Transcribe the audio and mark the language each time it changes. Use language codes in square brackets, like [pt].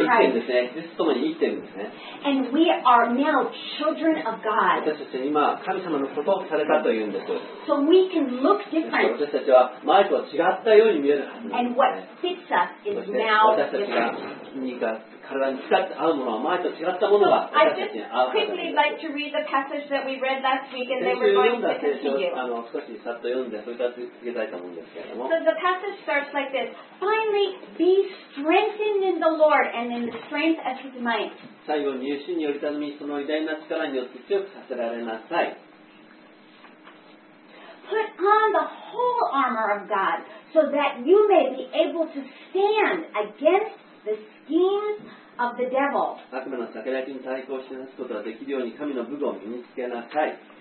[ja] 私たちは生きているんですね。キリストと共に生きているんですね。 [en] And we are now children of God. [ja] 私たちは今、神様の子とされたというんです。 [en] So we can look different. [ja] 私たちは前とは違ったように見えるはずです。 [en] And what fits us is now different. [ja] 体に近く合うものは前と違ったものが私たちに合うことです。先週読んだ聖書を少しさっと読んでそれから続けたいと思うんですけれども。 [en] So the passage starts like this. Finally, be strengthened in the Lord and in the strength of His might. [ja] 最後に主によりたのみその偉大な力によって強くさせられなさい。 [en] Put on the whole armor of God so that you may be able to stand against the schemes of the devil. [ja] 悪魔の策略に対抗しなすことができるように神の武具を身につけなさい。